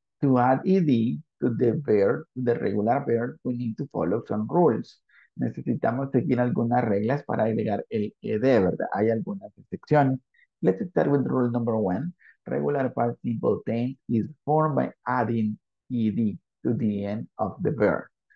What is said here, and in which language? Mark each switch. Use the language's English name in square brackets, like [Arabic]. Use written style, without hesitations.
[English] To add ed to the verb, to the regular verb, we need to follow some rules. [Spanish] Necesitamos seguir algunas reglas para agregar el ed, ¿verdad? Hay algunas excepciones. [English] Let's start with rule number one. Regular past simple tense is formed by adding ed to the end of the verb.